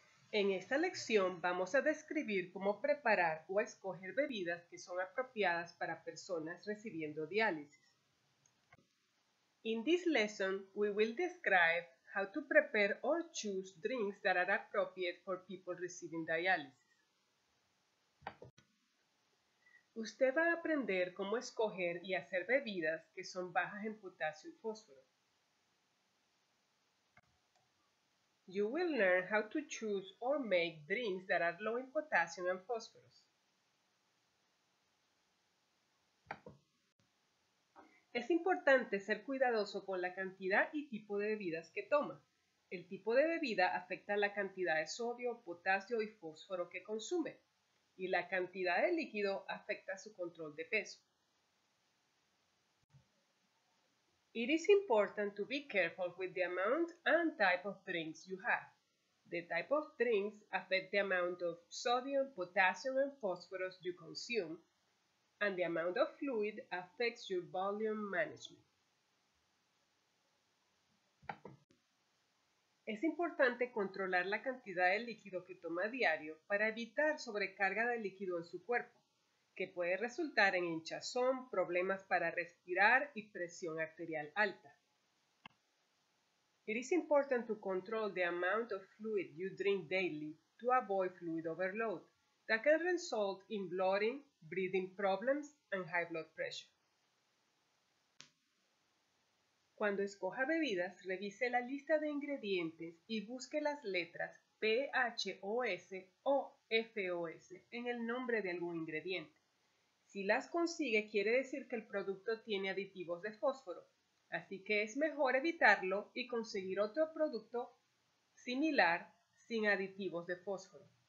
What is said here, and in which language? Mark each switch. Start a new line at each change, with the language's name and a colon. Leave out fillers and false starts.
Spanish: En esta lección vamos a describir cómo preparar o escoger bebidas que son apropiadas para personas recibiendo diálisis.
English: In this lesson, we will describe how to prepare or choose drinks that are appropriate for people receiving dialysis.
Spanish: Usted va a aprender cómo escoger y hacer bebidas que son bajas en potasio y fósforo.
English: You will learn how to choose or make drinks that are low in potassium and phosphorus.
Spanish: Es importante ser cuidadoso con la cantidad y tipo de bebidas que toma. El tipo de bebida afecta la cantidad de sodio, potasio y fósforo que consume, y la cantidad de líquido afecta su control de peso.
English: It is important to be careful with the amount and type of drinks you have. The type of drinks affect the amount of sodium, potassium, and phosphorus you consume, and the amount of fluid affects your volume management.
Spanish: Es importante controlar la cantidad de líquido que toma a diario para evitar sobrecarga de líquido en su cuerpo, que puede resultar en hinchazón, problemas para respirar y presión arterial alta.
English: It is important to control the amount of fluid you drink daily to avoid fluid overload that can result in bloating, breathing problems, and high blood pressure.
Spanish: Cuando escoja bebidas, revise la lista de ingredientes y busque las letras PHOS o FOS en el nombre de algún ingrediente. Si las consigue, quiere decir que el producto tiene aditivos de fósforo, así que es mejor evitarlo y conseguir otro producto similar sin aditivos de fósforo.